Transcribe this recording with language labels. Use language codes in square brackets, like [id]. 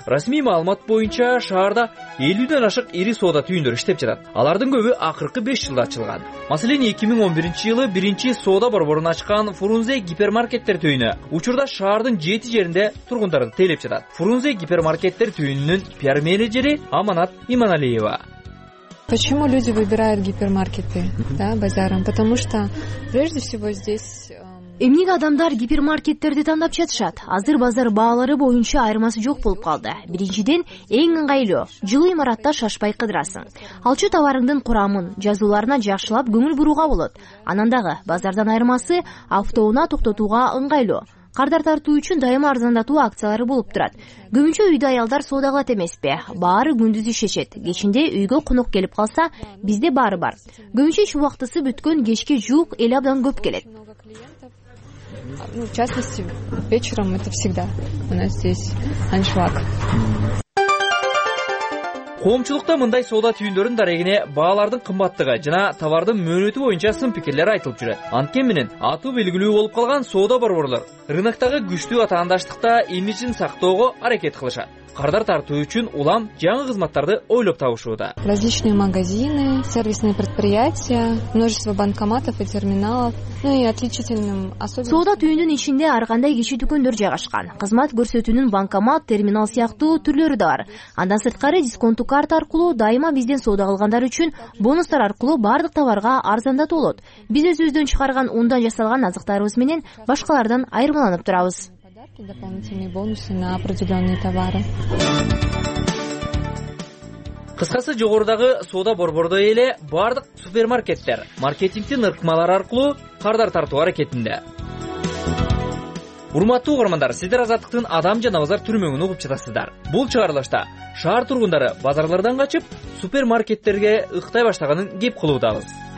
[ky] Расмий маалымат боюнча шаарда 50 ашык ири соода түйүндөрү иштеп жатат. Алардын көбү акыркы 5 жылда ачылган. Маселен, 2011 жылы биринчи соода борборун ачкан Фурунзе гипермаркеттер түйүнү учурда шаардын 7 жеринде тургундарды тейлеп жатат. Фурунзе гипермаркеттер түйүнүнүн пиар менеджери Аманат Иманалиева. [ru] Почему люди выбирают гипермаркеты, да, базарам? Потому что прежде всего здесь [ky] эмнеге адамдар гипермаркеттерди тандап жатышат? Азыр базар баалары боюнча айырмасы жок болуп калды. Биринчиден, эң ыңгайлуу жылуу имаратта шашпай кыдырасың. Алчу товарыңдын курамын, жазууларына жакшылап көңүл бурууга болот. Анан дагы базардан айырмасы автоуна токтотууга ыңгайлуу. Кардар тартуу үчүн дайыма арзандатуу акциялары болуп турат. Көбүнчө үйдө аялдар соода кылат эмеспи? Баары күндүз ишечет. Кечинде үйгө конок келип калса, бизде баары бар. Көбүнчө иш убактысы бүткөн кечке жуук эл абдан көп келет. [ru] В частности, вечером это всегда у нас здесь аншлаг. [ky] Коомчулукта мындай соода түйүндөрүнүн дарегине баалардын кымбаттыгы жана товардын мөөнөтү боюнча сын пикирлер айтылып жүрөт. Анткени менен аты белгилүү болуп калган соода борборлор рынктагы күчтүү атаандаштыкта имиджин сактоого аракет кылышат. Кардар тартуу үчүн улам жаңы кызматтарды ойлоп табышууда. [ru] Различные магазины, сервисные предприятия, множество банкоматов и терминалов. Ну и отличительным особенностью. [ky] Соода түйүнүн ичинде ар кандай киши дүкөндөр жайгашкан. Кызмат көрсөтүүнүн банкомат, терминал сыяктуу түрлөрү да бар. Андан сырткары дисконттук карта аркылуу дайыма бизден соода кылгандар үчүн бонустар аркылуу бардык товарга арзандатуу болот. Биз өзүбүздөн чыгарган ундан жасалган азыктарыбыз менен башкалардан айырмаланып турабыз. [ru] Дополнительные бонусы на определенные товары. [ky] Кыскасы, жогорудагы соода борбордой эле бардык супермаркеттер маркетингтин ыркмалары аркылуу кардар тартуу аракетинде. Урматтуу угармандар, сиздер азаттыктын адам жана базар түрмөгүн угуп жатасыздар. Бул чыгарылышта шаар тургундары базарлардан качып, супермаркеттерге ыктай баштаганын кеп кылуудабыз.